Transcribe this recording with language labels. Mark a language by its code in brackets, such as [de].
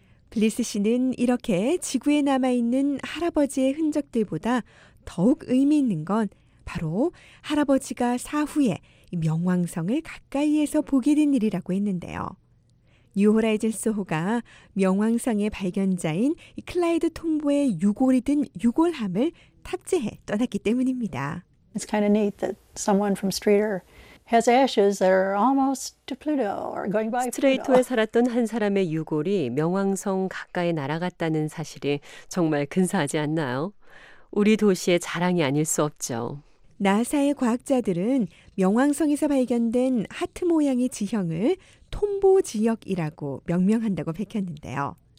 [ko] 블리스 씨는 이렇게 지구에 남아있는 할아버지의 흔적들보다 더욱 의미 있는 건 바로 할아버지가 사후에 명왕성을 가까이에서 보게 된 일이라고 했는데요. 뉴 호라이즌스 호가 명왕성의 발견자인 클라이드 톰보의 유골이 든 유골함을 탑재해 떠났기 때문입니다. [en] It's kind of neat that someone from Streeter has ashes that are almost to Pluto or going by. [ko] 스트레이터에 살았던 한 사람의 유골이 명왕성 가까이 날아갔다는 사실이 정말 근사하지 않나요? 우리 도시의 자랑이 아닐 수 없죠. 나사의 과학자들은 명왕성에서 발견된 하트 모양의 지형을 톰보 지역이라고 명명한다고 밝혔는데요.